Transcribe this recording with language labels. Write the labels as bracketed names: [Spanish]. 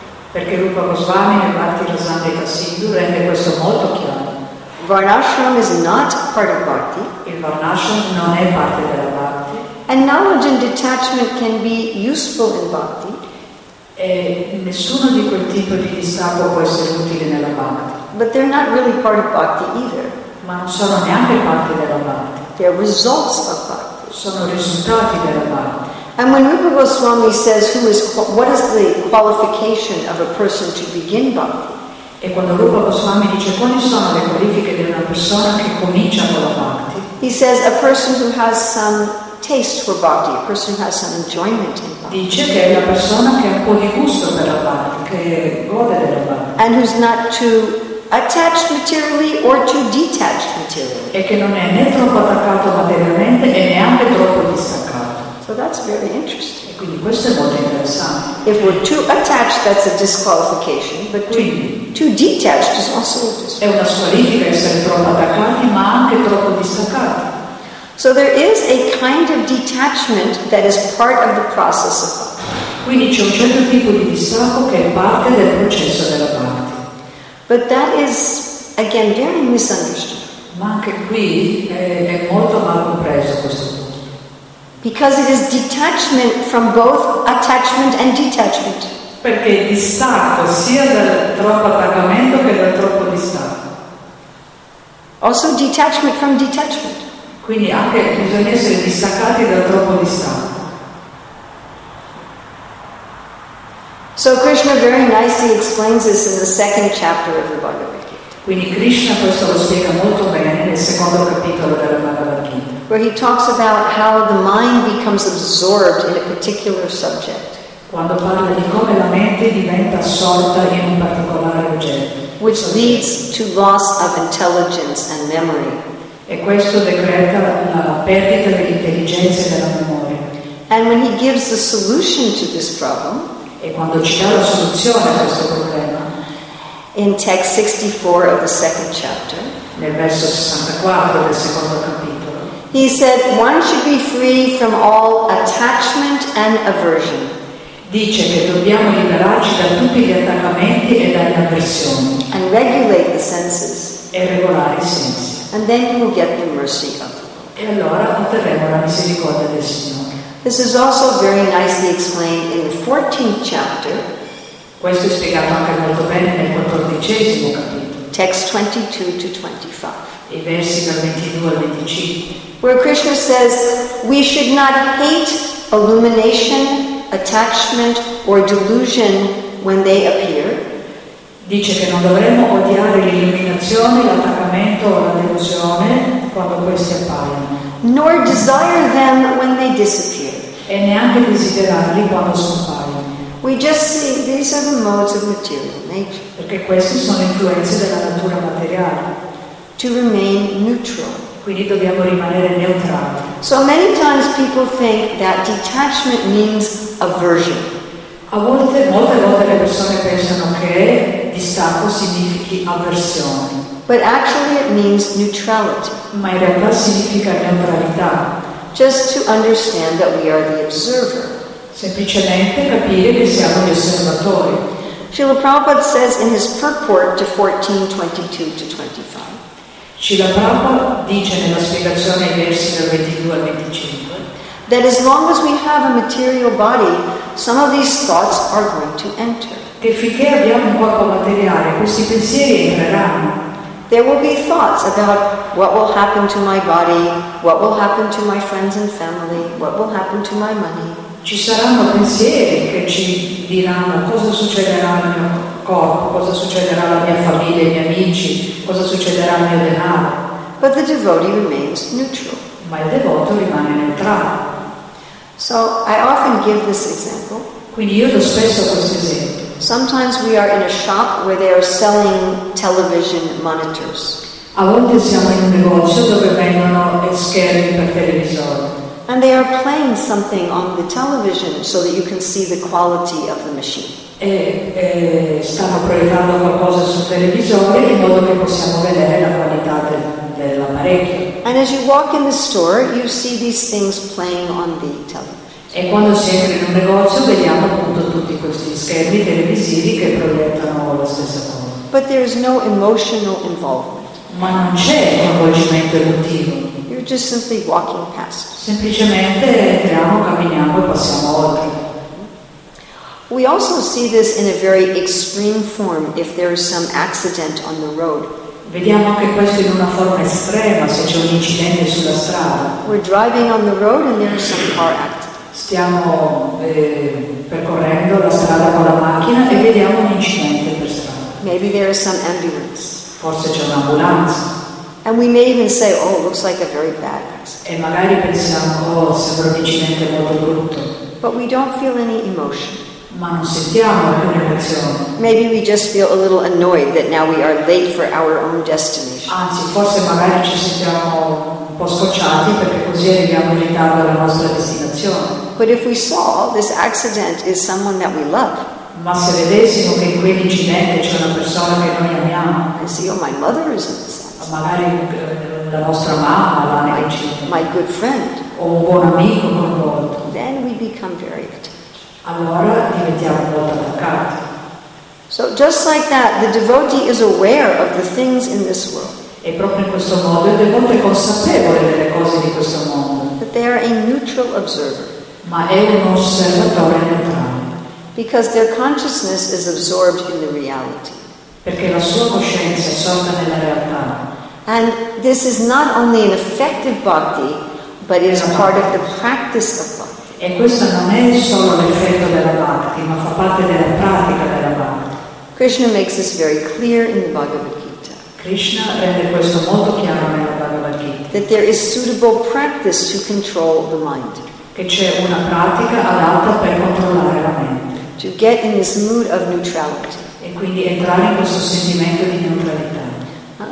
[Italian] Perché Rupa Goswami nel Bhakti Rasamrita Sindhu rende questo molto chiaro. [English] Varnashram is not part of bhakti. [Italian] Il varnashram non è parte della bhakti. [English] And knowledge and detachment can be useful in bhakti. [Italian] E nessuno di quel tipo di distacco può essere utile nella bhakti. [English] But they're not really part of bhakti either. [Italian] Ma non sono neanche parte della bhakti. [English] They're results of bhakti. [Italian] Sono risultati della bhakti. [English] And when Rupa Goswami says, what is the qualification of a person to begin bhakti? [Italian] E quando Rupa Goswami dice, quali sono le qualifiche di una persona che comincia con la bhakti? [English] He says, a person who has some taste for bhakti, a person who has some enjoyment in bhakti. [Italian] Dice che è una persona che ha un po' di gusto per la bhakti, che gode della bhakti. [English] And who's not too attached materially or too detached materially. [Italian] E che non è né troppo attaccato materialmente e neanche troppo distaccato. [English] So that's very interesting. [Italian] E quindi questo è molto interessante. [English] If we're too attached, that's a disqualification, but too detached is also a disqualification. [Italian] È una squalifica essere troppo attaccati, ma anche troppo distaccati. [English] So there is a kind of detachment that is part of the process of bhakti. [Italian] Quindi c'è un certo tipo di distacco che è parte del processo della bhakti. [English] But that is, again, very misunderstood. [Italian] Ma anche qui è molto mal compreso questo punto. [English] Because it is detachment from both attachment and detachment. [Italian] Perché è distacco sia dal troppo attaccamento che dal troppo distacco. [English] Also detachment from detachment. [Italian] Quindi anche bisogna essere distaccati dal troppo distacco. [English] So Krishna very nicely explains this in the second chapter of the Bhagavad Gita. [Italian] Quindi Krishna questo lo spiega molto bene nel secondo capitolo della Bhagavad Gita. [English] Where he talks about how the mind becomes absorbed in a particular subject. [Italian] Quando parla di come la mente diventa assorta in un particolare oggetto. [English] Which leads to loss of intelligence and memory. [Italian] E questo decreta la perdita dell'intelligenza e della memoria. [English] And when he gives the solution to this problem, [Italian] e quando ci dà la soluzione a questo problema, [English] in text 64 of the second chapter, [Italian] nel verso 64 del secondo capitolo, [English] he said, one should be free from all attachment and aversion. [Italian] Dice che dobbiamo liberarci da tutti gli attaccamenti e dalle avversioni. [English] And regulate the senses. [Italian] E regolare i sensi. [English] And then you will get the mercy of [Italian] them. E allora otterremo la misericordia del Signore. [English] This is also very nicely explained in the 14th chapter. [Italian] Questo è spiegato anche molto bene nel 14° capitolo. [English] Text 22 to 25. [Italian] I versi dal 22 al 25. [English] Where Krishna says, we should not hate illumination, attachment, or delusion when they appear. [Italian] Dice che non dovremmo odiare l'illuminazione, l'attaccamento o la delusione quando questi appaiono. [English] Nor desire them when they disappear. [Italian] E neanche desiderarli quando scompaiono. [English] We just see these are the modes of material nature. [Italian] Perché queste sono influenze della natura materiale. [English] To remain neutral. [Italian] Quindi dobbiamo rimanere neutrali. [English] So many times people think that detachment means aversion. [Italian] Molte volte le persone pensano che distacco significhi avversione. [English] But actually it means neutrality. [Italian] Ma in realtà significa neutralità. [English] Just to understand that we are the observer. [Italian] Semplicemente capire che siamo gli osservatori. [English] Srila Prabhupada says in his purport to 14:22-25. [Italian] Srila Prabhupada dice nella spiegazione ai versi dal 22 al 25. [English] That as long as we have a material body, some of these thoughts are going to enter. [Italian] Che finché abbiamo un corpo materiale, questi pensieri entreranno. [English] There will be thoughts about what will happen to my body, what will happen to my friends and family, what will happen to my money. [Italian] Ci saranno pensieri che ci diranno cosa succederà al mio corpo, cosa succederà alla mia famiglia, ai miei amici, cosa succederà al mio denaro. [English] But the devotee remains neutral. [Italian] Ma il devoto rimane neutrale. [English] So I often give this example. [Italian] Quindi io do spesso questo esempio. [English] Sometimes we are in a shop where they are selling television monitors. [Italian] A volte siamo in un negozio dove vendono schermi per televisore. [English] And they are playing something on the television so that you can see the quality of the machine. [Italian] E stanno proiettando qualcosa sul televisore in modo che possiamo vedere la qualità dell'apparecchio. [English] And as you walk in the store, you see these things playing on the television. [Italian] E quando si entra in un negozio vediamo appunto tutti questi schermi televisivi che proiettano la stessa cosa. [English] But there is no emotional involvement. [Italian] Ma non c'è coinvolgimento emotivo. [English] You're just simply walking past. [Italian] Semplicemente entriamo, camminiamo e passiamo oltre. [English] We also see this in a very extreme form if there is some accident on the road. [Italian] Vediamo anche questo in una forma estrema se c'è un incidente sulla strada. [English] We're driving on the road and there is some car accident. [Italian] Stiamo percorrendo la strada con la macchina e vediamo un incidente per strada. [English] Maybe there is some ambulance. [Italian] Forse c'è un'ambulanza. [English] And we may even say, oh, it looks like a very bad accident. [Italian] E magari pensiamo, oh, sembra un incidente molto brutto. [English] But we don't feel any emotion. [Italian] Ma non sentiamo alcuna emozione. [English] Maybe we just feel a little annoyed that now we are late for our own destination. [Italian] Anzi, forse magari ci sentiamo un po' scocciati perché così arriviamo in ritardo alla nostra destinazione. [English] But if we saw this accident is someone that we love. [Italian] Ma se vedessimo che in quell'incidente c'è una persona che noi amiamo. [English] And see, oh, my mother is in this accident. [Italian] Magari la nostra mamma va nell'incidente. [English] My good friend. [Italian] O un buon amico coinvolto. [English] Then we become very attached. [Italian] Allora diventiamo molto attaccati. [English] So just like that, the devotee is aware of the things in this world. [Italian] E proprio in questo modo il devoto è consapevole delle cose di questo mondo. [English] But they are a neutral observer. [Italian] Ma è un osservatore neutrale. [English] Because their consciousness is absorbed in the reality. [Italian] Perché la sua coscienza è assorta nella realtà. [English] And this is not only an effective bhakti, but it is part of the practice of bhakti. [Italian] E questo non è solo l'effetto della bhakti, ma fa parte della pratica della bhakti. [English] Krishna makes this very clear in the Bhagavad Gita. [Italian] Krishna rende questo molto chiaro nella Bhagavad Gita. [English] That there is suitable practice to control the mind. [Italian] Che c'è una pratica adatta per controllare la mente. [English] To get in this mood of neutrality. [Italian] E quindi entrare in questo sentimento di neutralità.